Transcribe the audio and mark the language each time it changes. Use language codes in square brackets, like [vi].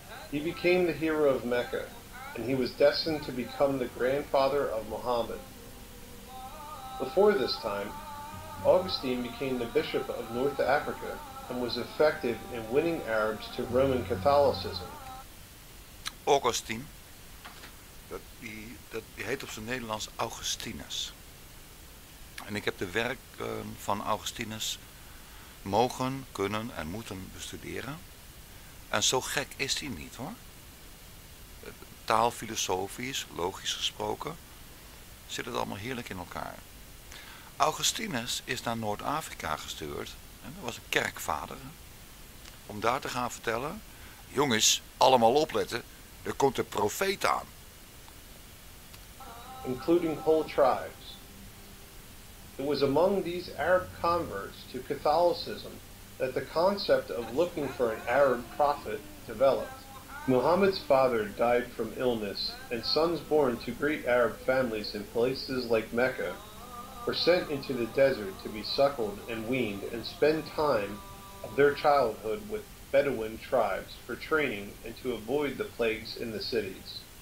[en] He became the hero of Mecca, and he was destined to become the grandfather of Muhammad. Before this time, Augustine became the bishop of North Africa and was effective in winning Arabs to Roman Catholicism. [nl] Augustine, dat heet op zijn Nederlands Augustinus. En ik heb de werk van Augustinus mogen, kunnen en moeten bestuderen. En zo gek is hij niet hoor. Taalfilosofisch, logisch gesproken, zit het allemaal heerlijk in elkaar. Augustinus is naar Noord-Afrika gestuurd, en dat was een kerkvader, om daar te gaan vertellen, jongens, allemaal opletten, er komt een profeet aan. [en] Including whole tribes. It was among these Arab converts to Catholicism that the concept of looking for an Arab prophet developed. Muhammad's father died from illness, and sons born to great Arab families in places like Mecca were sent into the desert to be suckled and weaned and spend time of their childhood with Bedouin tribes for training and to avoid the plagues in the cities.